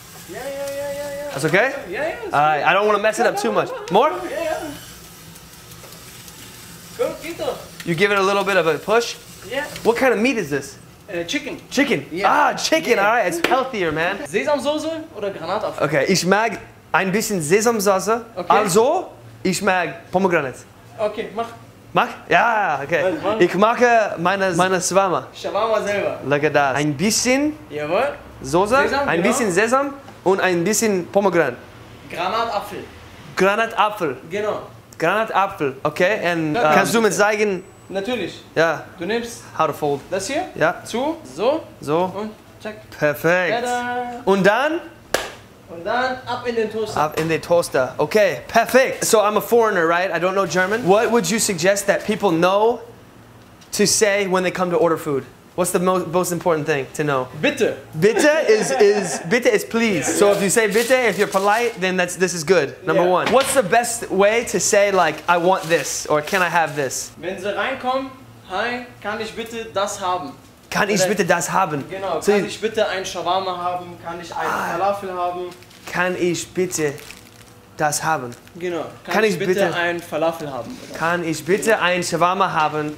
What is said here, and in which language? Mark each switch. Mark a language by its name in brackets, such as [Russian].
[English] Yeah. That's okay? Yeah, yeah. I don't want to mess it up too much. More? Yeah. You give it a little bit of a push? Yeah. What kind of meat is this? Chicken. Chicken? Yeah. Chicken. Yeah. All right, it's healthier, man. [German] Sesamsoße oder Granatapfel? Okay, ich mag ein bisschen Sesamsoße. Okay. Also, ich mag Pomegranate. Okay, mach. Mach? Ja, okay. Ich mache meine Shawarma. Shawarma selber. [English] Look at that. [German] Ein bisschen Soße, ein bisschen Sesam und ein bisschen Pomegranate. Granatapfel. Granatapfel. Genau. Granatapfel, okay. Und kannst du mir zeigen? Natürlich. Ja. Du nimmst? [English] How to fold. [German] Das hier? Ja. Zu? So? So. Und check. Perfekt. Tada. Und dann? Und dann ab in den Toaster. Ab in den Toaster. [English] Okay, perfect. So I'm a foreigner, right? I don't know German. What would you suggest that people know to say when they come to order food? What's the most important thing to know? [German] Bitte. [English] Bitte is please. Yeah. So if you say bitte, if you're polite, then this is good. Number one. What's the best way to say like, I want this or can I have this? [German] Wenn sie reinkommen, hi, kann ich bitte das haben? Kann ich bitte das haben? Genau, kann ich bitte ein Shawarma haben? Kann ich ein Falafel haben? Kann ich bitte das haben? Genau, kann ich bitte ein Falafel haben? Oder? Kann ich bitte ein Shawarma haben?